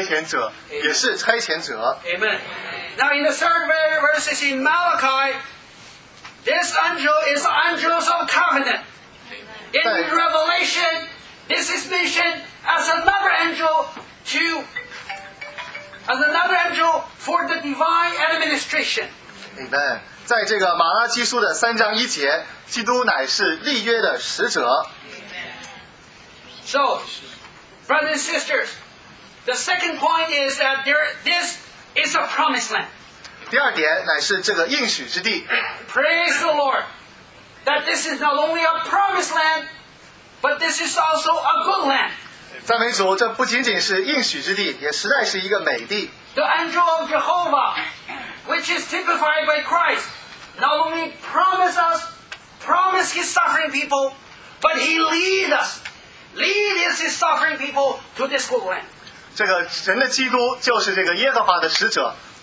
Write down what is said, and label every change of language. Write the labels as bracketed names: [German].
[Chinese] 在这个受差遣者也是差遣者。 [English] Amen. Now in the third verse in Malachi, this angel is the angels of covenant. In Revelation, this is mentioned as another angel for the divine administration. Amen. [Chinese] 在这个马拉基书的3章1节，基督乃是立约的使者。 [English] So, brothers and sisters, the second point is that this is a promised land. [Chinese] 第二点乃是这个应许之地。 [English] Praise the Lord that this is not only a promised land, but this is also a good land. [Chinese] 赞美主，这不仅仅是应许之地，也实在是一个美地。 [English] The angel of Jehovah, which is typified by Christ, not only promised his suffering people, but he leads his suffering people to this good land. [Chinese] 这个神的基督就是这个耶和华的使者。